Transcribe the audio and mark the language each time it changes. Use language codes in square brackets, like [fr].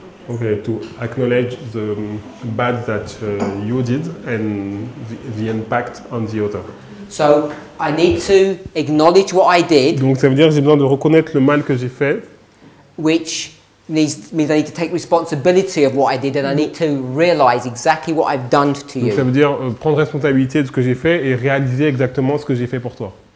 [en] Okay, to acknowledge the bad that you did and the impact on the other. So I need to acknowledge what I did. [fr] Donc ça veut dire que j'ai besoin de reconnaître le mal que j'ai fait. [en] Which means I need to take responsibility of what I did and I need to realize exactly what I've done to you. [fr] Donc ça veut dire prendre responsabilité de ce que j'ai fait et réaliser exactement ce que j'ai fait pour toi.